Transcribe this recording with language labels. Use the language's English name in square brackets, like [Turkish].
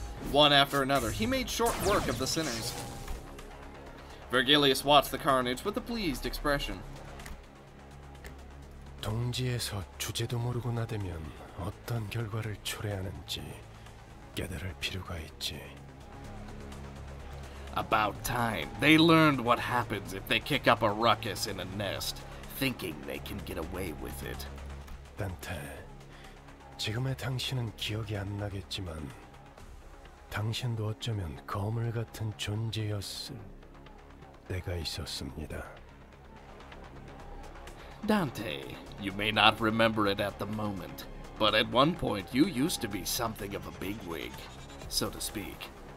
[English] One after another, he made short work of the sinners. Virgilius watched the carnage with a pleased expression. [Korean] 동지에서 주제도 모르고 나대면 어떤 결과를 초래하는지 깨달을 필요가 있지. [English] About time. They learned what happens if they kick up a ruckus in a nest, thinking they can get away with it. [Korean] Dante, 지금의 당신은 기억이 안 나겠지만 당신도 어쩌면 거물 같은 존재였을 때가 있었습니다. [English] Dante, you may not remember it at the moment, but at one point you used to be something of a bigwig, so to speak.